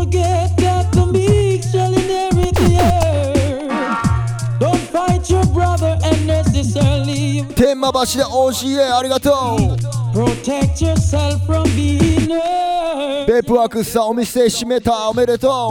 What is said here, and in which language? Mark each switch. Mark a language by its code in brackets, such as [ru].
[en] Dance. Your lights are full, but I'm still shining. Don't forget that the meek shall inherit the earth. Don't fight your brother unnecessarily. [ja] 天馬橋で OGA、 ありがとう。 [en] Protect yourself from being hurt. [ja] ベープワークスさん、お店閉めた、おめでとう。